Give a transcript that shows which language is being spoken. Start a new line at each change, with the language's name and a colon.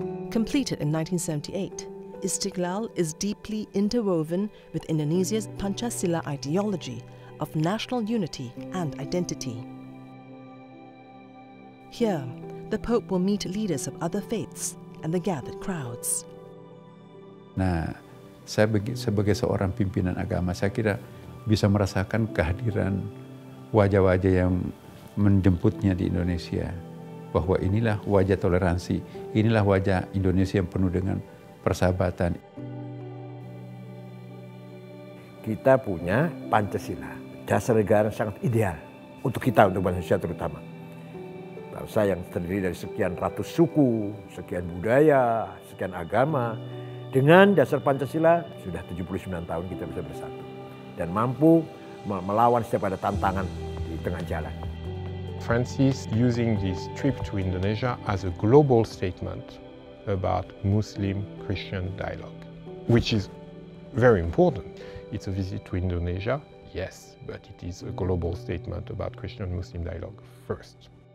English: Completed in 1978, Istiqlal is deeply interwoven with Indonesia's Pancasila ideology of national unity and identity. Here, the Pope will meet leaders of other faiths and the gathered crowds.
Indonesian: Nah, saya sebagai seorang pimpinan agama, saya kira bisa merasakan kehadiran wajah-wajah yang menjemputnya di Indonesia. Bahwa inilah wajah toleransi, inilah wajah Indonesia yang penuh dengan persahabatan. Kita punya Pancasila, dasar negara sangat ideal untuk kita, untuk bangsa Indonesia terutama. Bangsa yang terdiri dari sekian ratus suku, sekian budaya, sekian agama. Dengan dasar Pancasila, sudah 79 tahun kita bisa bersatu. Dan mampu melawan setiap ada tantangan di tengah jalan.
English: Francis using this trip to Indonesia as a global statement about Muslim-Christian dialogue, which is very important. It's a visit to Indonesia, yes, but it is a global statement about Christian-Muslim dialogue first.